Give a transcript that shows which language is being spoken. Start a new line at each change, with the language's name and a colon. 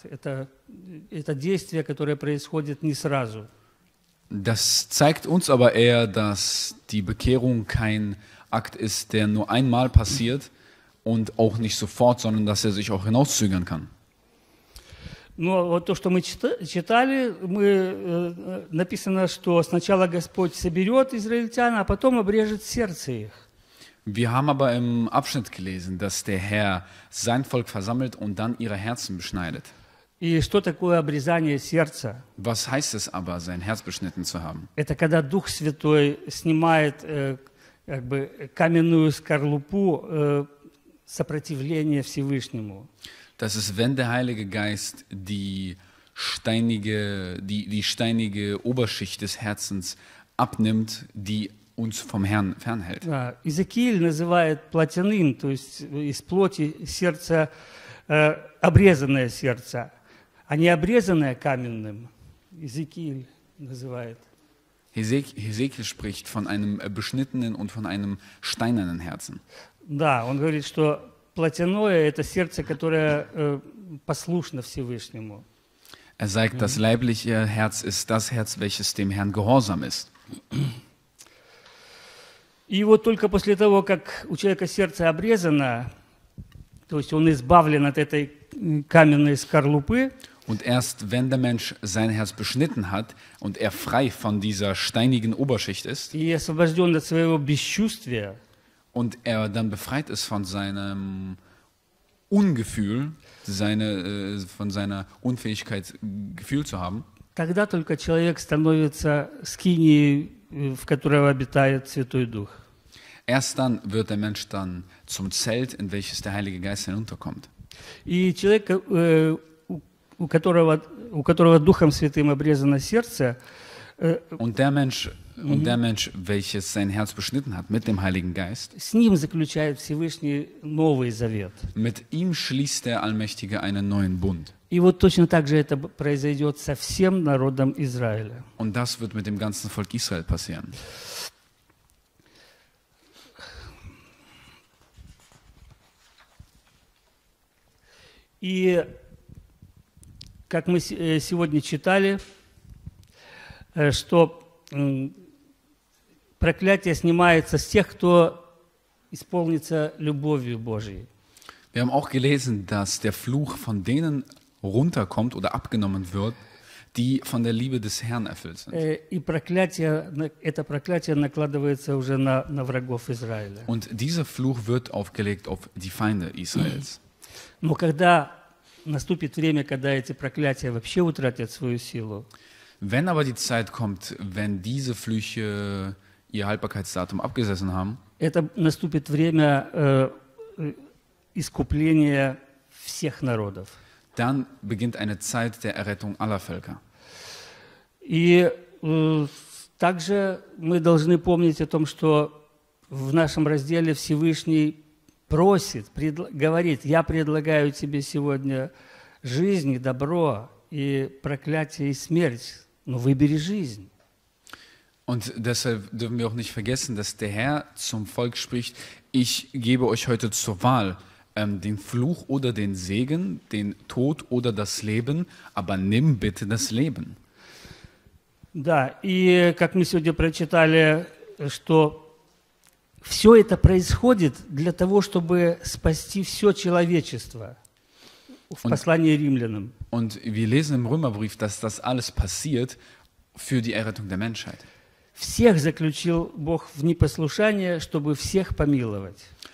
Russian: Это действие, которое происходит не сразу.
German: Das zeigt uns aber eher, dass die Bekehrung kein Akt ist, der nur einmal passiert und auch nicht sofort, sondern dass er sich auch hinauszögern kann.
Russian: Ну, вот то, что мы читали, мы написано, что сначала Господь соберет израильтян, а потом обрежет сердце их.
German: Wir haben aber im Abschnitt gelesen, dass der Herr sein Volk versammelt und dann ihre Herzen beschneidet.
Russian: И что такое обрезание сердца?
German: Was heißt es aber, sein Herz beschnitten zu haben?
Russian: Это когда Дух Святой снимает как бы каменную скорлупу сопротивления Всевышнему.
German: Das ist, wenn der Heilige Geist die steinige Oberschicht des Herzens abnimmt, die uns vom Herrn fernhält.
Russian: Да, Иезекииль называет плотяным, то есть из плоти сердца обрезанное сердце, а не обрезанное каменным. Иезекииль называет.
German: Иезекииль spricht von einem beschnittenen und von einem steinernen Herzen.
Russian: Да, он говорит, что плотяное – это сердце, которое послушно Всевышнему.
German: Er sagt, das leibliche Herz ist das Herz, welches dem Herrn gehorsam ist.
Russian: И вот только после того, как у человека сердце обрезано, то есть он избавлен от этой каменной скорлупы.
German: Und erst wenn der Mensch sein Herz beschnitten hat und er frei von dieser steinigen Oberschicht ist.
Russian: И освобожден от своего бесчувствия.
German: Und er dann befreit ist von seinem Ungefühl, von seiner Unfähigkeit, Gefühl zu haben.
Russian: Тогда только человек становится скинией, в которой обитает Святой Дух.
German: Erst dann wird der Mensch dann zum Zelt, in welches der Heilige Geist hinunterkommt.
Russian: И человек, у которого Духом Святым обрезано сердце,
German: Und der Mensch, welches sein Herz beschnitten hat mit dem Heiligen Geist,
Russian: с ним заключает Всевышний Новый Завет.
German: Mit ihm schließt der Allmächtige einen neuen Bund.
Russian: И вот точно так же это произойдет со всем народом Израиля.
German: Und das wird mit dem ganzen Volk Israel passieren.
Russian: И как мы сегодня читали, что проклятие снимается с тех, кто исполнится любовью Божией.
German: Wir haben auch gelesen, dass der Fluch von denen runterkommt oder abgenommen wird, die von der Liebe des Herrn erfüllt sind.
Russian: И проклятие, это проклятие накладывается уже на врагов Израиля.
German: Und dieser Fluch wird aufgelegt auf die Feinde Israels.
Russian: Но когда наступит время, когда эти проклятия вообще утратят свою силу,
German: wenn aber die Zeit kommt, wenn diese Flüche ihr Haltbarkeitsdatum abgesessen haben,
Russian: это наступит время искупления всех народов.
German: Dann beginnt eine Zeit der Errettung aller Völker.
Russian: И также мы должны помнить о том, что в нашем разделе Всевышний просит, говорит: «Я предлагаю тебе сегодня жизнь и добро, и проклятие и смерть, но выбери жизнь».
German: Und deshalb dürfen wir auch nicht vergessen, dass der Herr zum Volk spricht: Ich gebe euch heute zur Wahl den Fluch oder den Segen, den Tod oder das Leben, aber nimm bitte das Leben.
Russian: Да, и как мы сегодня прочитали, что все это происходит для того, чтобы спасти все человечество. В послании Римлянам.
German: Und wir lesen im Römerbrief, dass das alles passiert für die Errettung der Menschheit.
Russian: Всех заключил Бог в непослушание, чтобы всех помиловать.